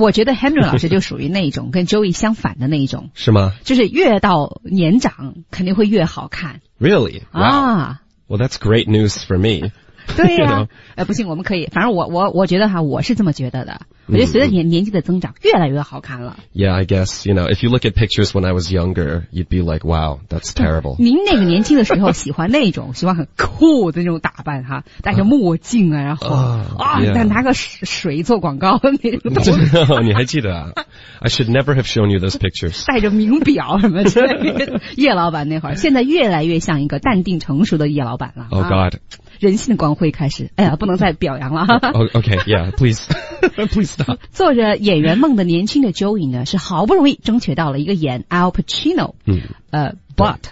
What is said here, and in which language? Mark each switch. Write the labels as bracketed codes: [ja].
[zh] 我觉得 Henry 老师就属于那一种跟 Joey 相反的那一种。是吗？就是越到年长肯定会越好看。 [en] Really? Wow. [zh] 啊。 [en] Well, that's great news for me. [zh] 对呀、不行，我们可以，反正我觉得哈，我是这么觉得的。我觉得随着年纪的增长越来越好看了。 [en] Yeah, I guess, you know, if you look at pictures when I was younger, you'd be like, wow, that's terrible. [zh] 您那个年轻的时候喜欢那种喜欢很酷的那种打扮哈，戴着墨镜啊，然后拿个水做广告的那种。你还记得啊？ [en] I should never have shown you those pictures. [zh] 戴着名表什么之类的。叶老板那会儿现在越来越像一个淡定成熟的叶老板了。 [en] Oh God. [zh] 人性的光辉开始，哎呀，不能再表扬了。 [en] Oh, OK, yeah, please, please stop. [zh] 做着演员梦的年轻的 Joey 呢，是好不容易争取到了一个演 Al Pacino, butt,